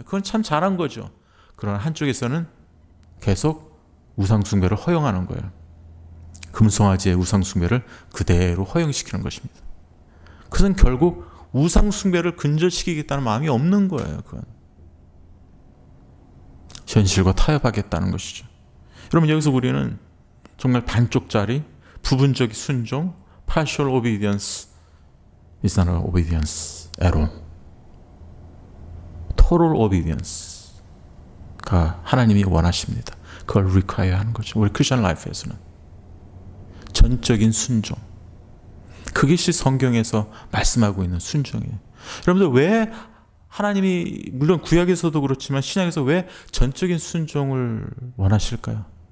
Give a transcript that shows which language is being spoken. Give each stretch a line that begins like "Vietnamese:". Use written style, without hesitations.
Korean: 그건 참 잘한 거죠. 그러나 한쪽에서는 계속 우상 숭배를 허용하는 거예요. 금송아지의 우상 숭배를 그대로 허용시키는 것입니다. 그것은 결국 우상 숭배를 근절시키겠다는 마음이 없는 거예요. 그건 현실과 타협하겠다는 것이죠. 여러분, 여기서 우리는 정말 반쪽짜리 부분적 순종,
English: partial obedience is not an obedience at all.
Korean: Total obedience가 하나님이 원하십니다. 그걸 require 하는 거죠. 우리 Christian life에서는 전적인 순종, 그것이 성경에서 말씀하고 있는 순종이에요. 여러분들, 왜 하나님이, 물론 구약에서도 그렇지만 신약에서 왜 전적인 순종을 원하실까요?